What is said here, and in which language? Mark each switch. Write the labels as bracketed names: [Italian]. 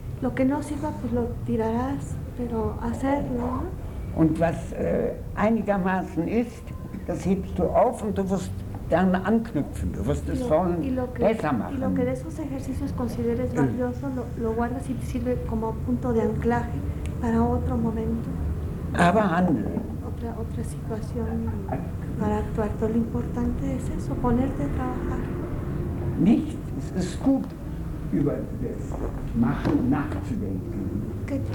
[Spanish] Lo que no sirva, pues lo tirarás, pero hacerlo. [German] Und was einigermaßen ist, das hebst du auf und du wirst dann anknüpfen. Du wirst es schon besser machen. [Spanish] Y lo que de esos ejercicios consideres valioso, lo guardas y te sirve como punto de anclaje para otro momento. [German] Aber handeln. [Spanish] Otra situación para actuar. Todo lo importante es eso, ponerte a trabajar. [German] Nicht, es ist gut, über das Machen nachzudenken.